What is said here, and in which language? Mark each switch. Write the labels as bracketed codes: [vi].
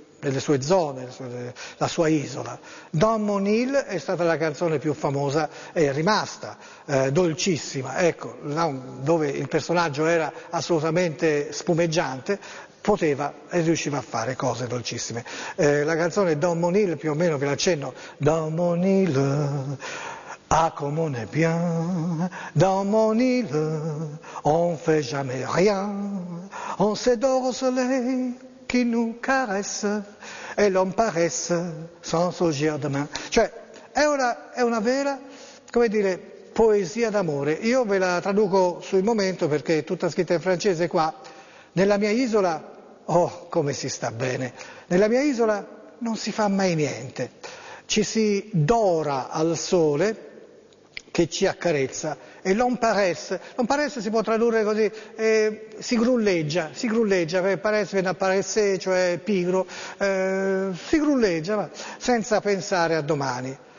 [it] delle sue zone, la sua isola. Don Monil è stata la canzone più famosa e è rimasta dolcissima, ecco, là dove il personaggio era assolutamente spumeggiante, poteva e riusciva a fare cose dolcissime. La canzone Don Monil, più o meno ve l'accenno, [fr] Don Monil, a comme on est bien, dans mon île, on fait jamais rien, on s'adore au soleil qui nous caresse, et l'on paresse sans sorgir demain. [it] Cioè, è una vera, come dire, poesia d'amore. Io ve la traduco sul momento perché è tutta scritta in francese qua. Nella mia isola, oh, come si sta bene, nella mia isola non si fa mai niente. Ci si dora al sole che ci accarezza, e [fr] l'on paresse [it] si può tradurre così, si grulleggia, paresse viene a paresse, cioè pigro, si grulleggia, ma senza pensare a domani.